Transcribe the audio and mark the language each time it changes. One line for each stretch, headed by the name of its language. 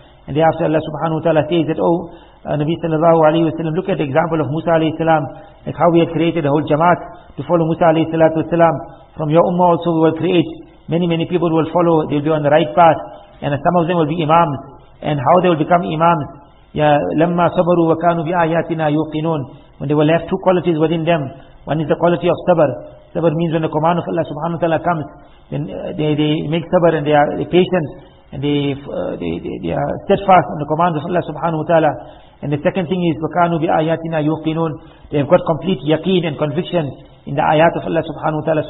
English: And thereafter Allah subhanahu wa ta'ala says that, Nabi sallallahu alayhi wa sallam, look at the example of Musa alayhi salam, like how we have created the whole jamaat to follow Musa alayhi salatu wa salam. From your ummah also we will create many, many people who will follow, they will be on the right path. and some of them will be imams, and how they will become imams.
Arabic: لما صبروا وكانوا بآياتنا يوقنون.
English: When they will have two qualities within them. One is the quality of sabr. Sabr means when the command of Allah subhanahu wa ta'ala comes, then they make sabr and they are patient and they are steadfast on the command of Allah subhanahu wa ta'ala. And the second thing is
Arabic: وَكَانُوا بِآيَاتِنَا يُوقِنُونَ.
English: They have got complete yaqeen and conviction in the ayat of Allah subhanahu wa ta'ala.